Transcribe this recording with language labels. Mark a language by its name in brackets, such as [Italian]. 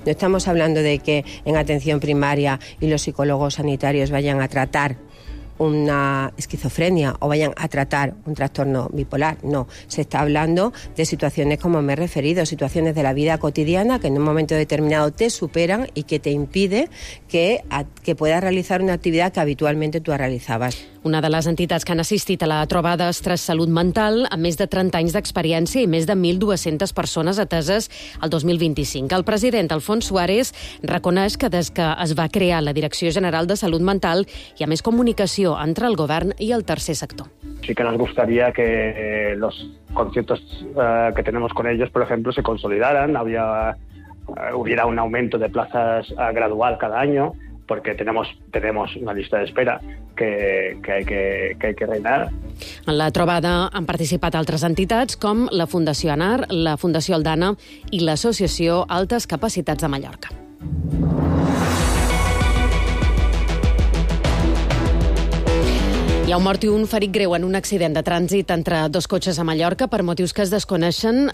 [Spanish] No estamos hablando de que en atención primaria y los psicólogos sanitarios vayan a tratar una esquizofrenia o vayan a tratar un trastorno bipolar. No, se está hablando de situaciones como me he referido, situaciones de la vida cotidiana que en un momento determinado te superan y que te impide que puedas realizar una actividad que habitualmente tú realizabas. [Catalan] Una de les entitats que han assistit a la trobada Estres Salut Mental, amb més de 30 anys d'experiència i més de 1.200 persones ateses el 2025. El president Alfons Suárez reconeix que des que es va crear la Direcció General de Salut Mental hi ha més comunicació entre el govern i el tercer sector. [Spanish] Sí que nos gustaría que los conciertos que tenemos con ellos, por ejemplo, se consolidaran, hubiera un aumento de plazas gradual cada año, porque tenemos una lista de espera que hay que reinar. [Catalan] En la trobada han participat altres entitats com la Fundació ANAR, la Fundació Aldana i l'Associació Altes Capacitats de Mallorca. I ha un mort i un ferit greu en un accident de trànsit entre dos cotxes a Mallorca per motius que es desconeixen.